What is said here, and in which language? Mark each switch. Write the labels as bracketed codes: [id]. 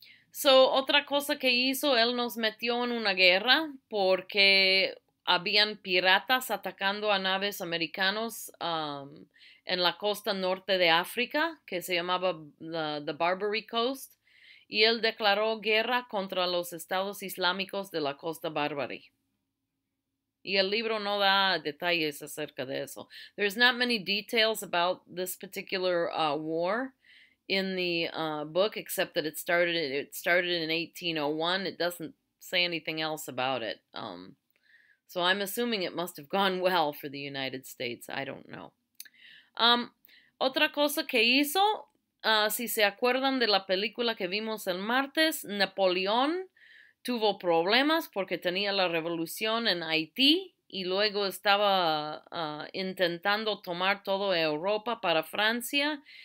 [es] So, otra cosa que hizo, él nos metió en una guerra porque habían piratas atacando a naves americanos en la costa norte de África, que se llamaba the Barbary Coast, y él declaró guerra contra los estados islámicos de la costa Barbary. Y el libro no da detalles acerca de eso. [en] There's not many details about this particular war in the book, except that it started in 1801. It doesn't say anything else about it. So I'm assuming it must have gone well for the United States. I don't know. [es] Otra cosa que hizo, si se acuerdan de la película que vimos el martes, Napoleón tuvo problemas porque tenía la revolución en Haití y luego estaba intentando tomar toda Europa para Francia.